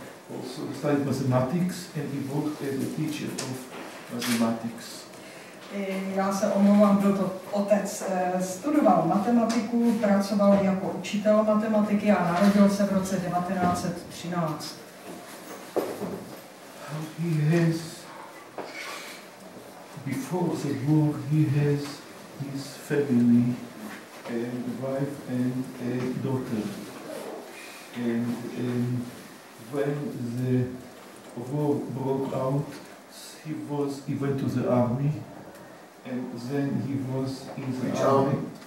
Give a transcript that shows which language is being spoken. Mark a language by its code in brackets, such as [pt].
[en] He studied mathematics and he worked as a teacher of mathematics. [cs] Já se omlouvám, byl to otec, studoval matematiku, pracoval jako učitel matematiky a narodil se v roce 1913. [en] He has, before the war, he has his family and wife and a daughter. And when the war broke out, he went to the army, and then he was in the army.